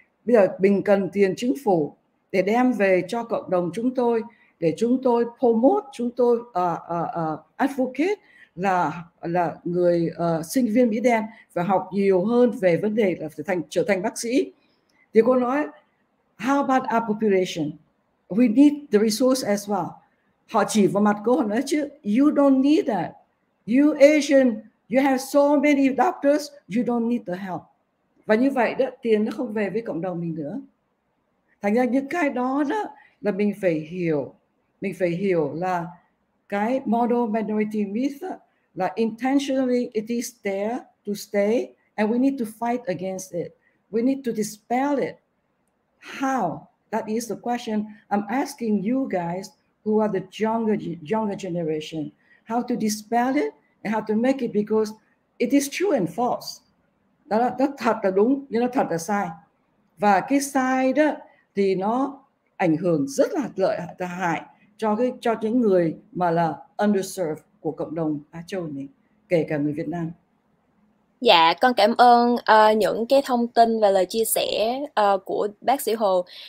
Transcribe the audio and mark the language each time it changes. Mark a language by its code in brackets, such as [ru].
[vi] Bây giờ mình cần tiền chính phủ để đem về cho cộng đồng chúng tôi, để chúng tôi promote, chúng tôi advocate là người sinh viên Mỹ đen và học nhiều hơn về vấn đề là trở thành bác sĩ. Thì cô nói, [en] how about our population? We need the resource as well. [vi] Họ chỉ vào mặt cô nói chứ, [en] you don't need that. You Asian, you have so many doctors, you don't need the help. [vi] Và như vậy đó, tiền nó không về với cộng đồng mình nữa. Thành ra những cái đó là mình phải hiểu. Mình phải hiểu là cái [en] model minority myth là intentionally it is there to stay and we need to fight against it. We need to dispel it. How? That is the question I'm asking you guys who are the younger generation. How to dispel it and how to make it, because it is true and false. [vi] Đó thật là đúng, nhưng nó thật là sai. Và cái sai đó thì nó ảnh hưởng rất là lợi là hại cho những người mà là underserved của cộng đồng Á Châu này, kể cả người Việt Nam. Dạ, con cảm ơn những cái thông tin và lời chia sẻ của bác sĩ Hồ.